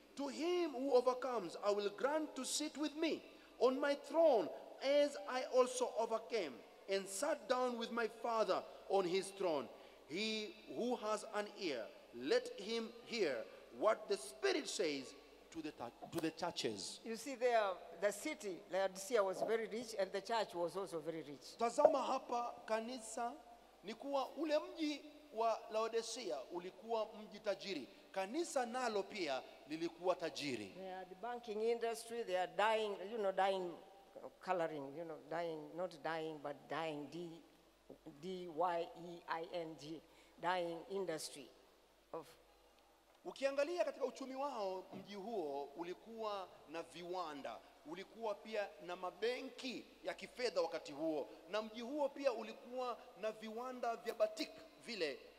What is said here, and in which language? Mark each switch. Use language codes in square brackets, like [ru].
[en] To him who overcomes, I will grant to sit with me on my throne, as I also overcame and sat down with my Father on his throne. He who has an ear, let him hear what the Spirit says to the churches. You see there, the city, Laodicea, was very rich, and the church was also very rich. [sw] Tazama hapa, kanisa ni kuwa ule mji wa Laodicea ulikuwa mji tajiri. Kanisa nalo pia lilikuwa tajiri. [en] They are the banking industry, they are dying, you know, dying, coloring, you know, dying, not dying, but dying, D-Y-E-I-N-G, dying industry. Of. [sw] Ukiangalia katika uchumi wao, mji huo ulikuwa na viwanda, ulikuwa pia na mabenki ya kifedha wakati huo, na mji huo pia ulikuwa na viwanda vya batik vile.